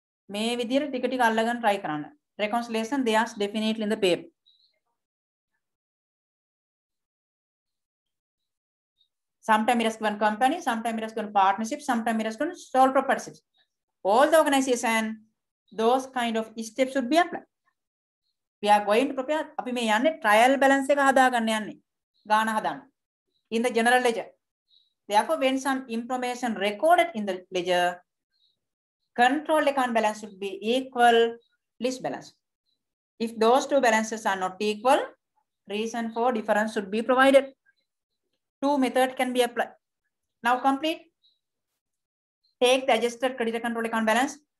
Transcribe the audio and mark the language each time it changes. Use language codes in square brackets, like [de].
[si] මේ විදිහට ටික ටික අල්ලගෙන try කරන්න. [en] Reconciliation they are definitely in the paper. Sometimes it has given company, sometimes it has given partnership, sometimes it has given sole proprietorship. All the organization, those kind of steps should be applied. We are going to prepare. [si] අපි මේ යන්නේ trial balance එක හදාගන්න යන්නේ. ගාන හදන්න. [en] In the general ledger. Therefore, when some information recorded in the ledger, control account balance should be equal list balance. If those two balances are not equal, reason for difference should be provided. Two method can be applied. Now complete. Take the adjusted credit control account balance.